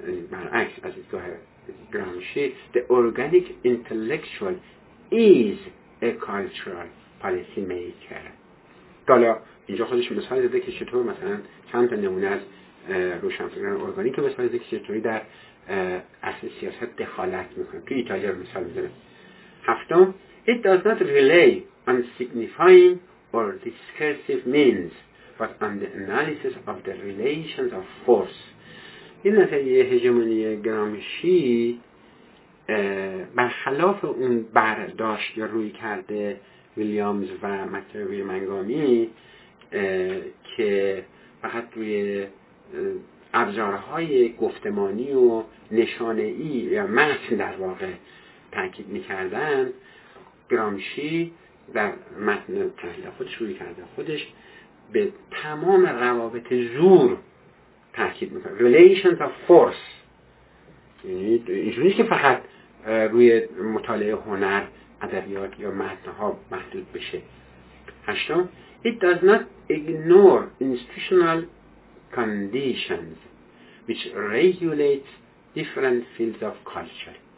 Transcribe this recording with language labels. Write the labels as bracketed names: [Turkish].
[Persian] برعکس از دیدگاه گرامشی [English] the organic intellectual is a cultural policy maker. [Persian] حالا اینجا خودش مثال زده که چطور مثلا چند تا نمونه از روشنفکران ارگانیک رو مثال زده که چطوری در اصل سیاست دخالت میکنه. تو ایتالیا رو مثال میزنه. هفتم، [English] it does not rely on signifying or discursive means but on the analysis of the relations of force. [Persian] این نظریه هژمونی گرامشی برخلاف اون برداشت یا روی کرده ویلیامز و متر ویرمنگامی که فقط روی ابزارهای گفتمانی و نشانه‌ای یا متن در واقع تاکید می‌کردن، گرامشی در متن تحلیل خودش روی کرده خودش به تمام روابط زور تأکید میکنه. [English] relations of force، [Persian] یعنی اینجوری که فقط روی مطالعه هنر، ادبیات یا متنها محدود بشه. هشتم، [English] it does not ignore institutional conditions which regulate different fields of culture.